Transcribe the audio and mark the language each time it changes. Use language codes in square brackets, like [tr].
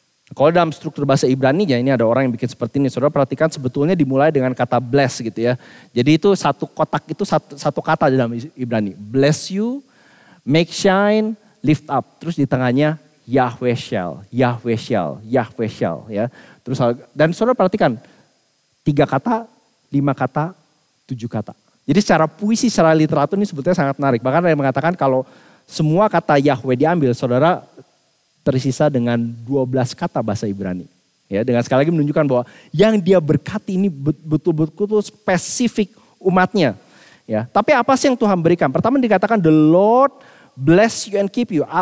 [id] Kalau dalam struktur bahasa Ibrani-nya, ini ada orang yang bikin seperti ini. Saudara perhatikan sebetulnya dimulai dengan kata bless gitu ya. Jadi itu satu kotak, itu satu kata dalam Ibrani. [en] Bless you, make shine, lift up. [id] Terus di tengahnya [en] Yahweh Shall, Yahweh Shall, Yahweh Shall [id] ya. Terus dan saudara perhatikan 3 kata, 5 kata, 7 kata. Jadi secara puisi, secara literatur ini sebetulnya sangat menarik. Bahkan ada yang mengatakan kalau semua kata Yahweh diambil, saudara tersisa dengan 12 kata bahasa Ibrani. Ya, dengan sekali lagi menunjukkan bahwa yang dia berkati ini betul-betul spesifik umatnya. Ya, tapi apa sih yang Tuhan berikan? Pertama dikatakan [en] the Lord bless you and keep you.